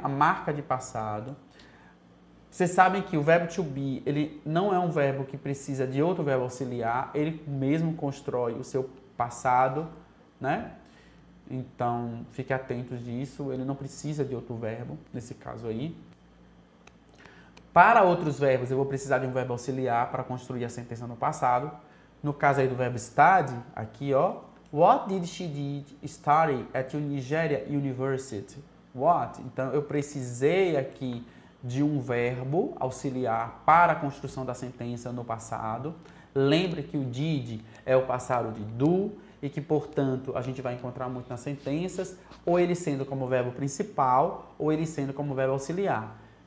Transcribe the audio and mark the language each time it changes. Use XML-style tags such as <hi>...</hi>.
<pt>A marca de passado. Vocês sabem que o verbo to be, ele não é um verbo que precisa de outro verbo auxiliar, ele mesmo constrói o seu passado, né? Então, fique atentos disso, ele não precisa de outro verbo, nesse caso aí. Para outros verbos, eu vou precisar de um verbo auxiliar para construir a sentença no passado. No caso aí do verbo study, aqui, ó.</pt> <en>What did she did study at Nigeria University? What?</en> <pt>Então, eu precisei aqui de um verbo auxiliar para a construção da sentença no passado. Lembre que o did é o passado de do e que, portanto, a gente vai encontrar muito nas sentenças, ou ele sendo como verbo principal, ou ele sendo como verbo auxiliar.</pt>